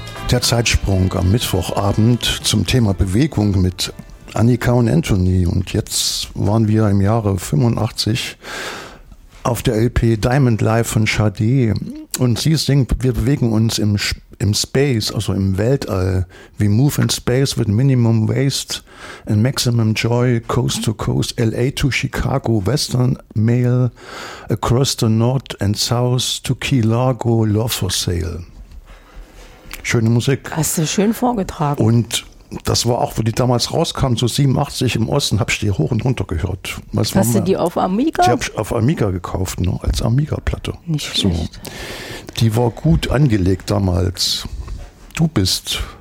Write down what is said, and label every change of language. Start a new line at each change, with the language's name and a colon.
German: Der Zeitsprung am Mittwochabend zum Thema Bewegung mit Annika und Anthony. Und jetzt waren wir im Jahre 85 auf der LP Diamond Life von Sade. Und sie singt, wir bewegen uns im Space, also im Weltall.
English: We move in space with minimum waste and maximum joy, coast to coast, LA to Chicago, Western Mail, across the North and South to Key Largo, love for sale.
German: Schöne Musik. Hast du schön vorgetragen. Und das war auch, wo die damals rauskam, so 87 im Osten, habe ich die hoch und runter gehört. Was hast du die auf Amiga? Die habe ich auf Amiga gekauft, ne, als Amiga-Platte. Nicht so schlecht. Die war gut angelegt damals. Du bist.